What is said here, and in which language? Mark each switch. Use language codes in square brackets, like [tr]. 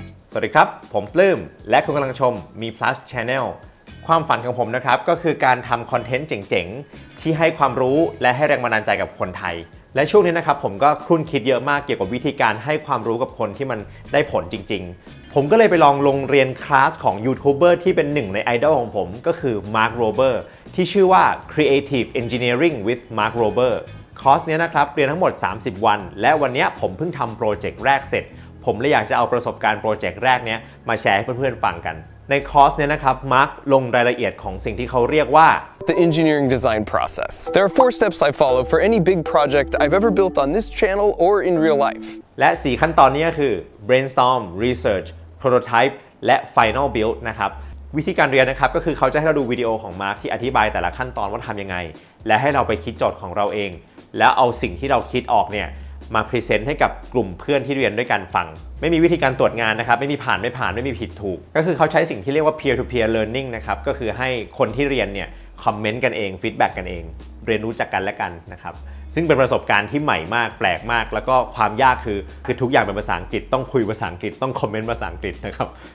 [th] สวัสดีครับผมปลื้มและคุณกำลังชม Meplus Channel ความฝันของผมนะครับก็คือการทำคอนเทนต์เจ๋งๆที่ให้ความรู้และให้แรงบันดาลใจกับคนไทยและช่วงนี้นะครับผมก็ครุ่นคิดเยอะมากเกี่ยวกับวิธีการให้ความรู้กับคนที่มันได้ผลจริงๆผมก็เลยไปลองลงเรียนคลาสของยูทูบเบอร์ที่เป็นหนึ่งในไอดอลของผมก็คือมาร์คโรเบอร์ที่ชื่อว่า Creative Engineering with Mark Rober คอร์สนี้นะครับเรียนทั้งหมด30วันและวันนี้ผมเพิ่งทำโปรเจกต์แรกเสร็จผมเลยอยากจะเอาประสบการณ์โปรเจกต์แรกนี้มาแชร์ให้เพื่อนๆฟังกันในคอร์สเนี่ยนะครับมาร์คลงรายละเอียดของสิ่งที่เขาเรียกว่า [en] The engineering design process. There are four steps I follow for any big project I've ever built on this channel or in real life. [th] และ4ขั้นตอนนี้คือ brainstorm, research, prototype และ final build นะครับวิธีการเรียนนะครับก็คือเขาจะให้เราดูวิดีโอของมาร์คที่อธิบายแต่ละขั้นตอนว่าทำยังไงและให้เราไปคิดโจทย์ของเราเอง แล้วเอาสิ่งที่เราคิดออกเนี่ยมาพรีเซนต์ให้กับกลุ่มเพื่อนที่เรียนด้วยกันฟังไม่มีวิธีการตรวจงานนะครับไม่มีผ่านไม่ผ่านไม่มีผิดถูกก็คือเขาใช้สิ่งที่เรียกว่า peer to peer learning นะครับก็คือให้คนที่เรียนเนี่ยคอมเมนต์กันเองฟีดแบ็กกันเองเรียนรู้จากกันและกันนะครับซึ่งเป็นประสบการณ์ที่ใหม่มากแปลกมากแล้วก็ความยากคือทุกอย่างเป็นภาษาอังกฤษต้องคุยภาษาอังกฤษต้องคอมเมนต์ภาษาอังกฤษนะครับ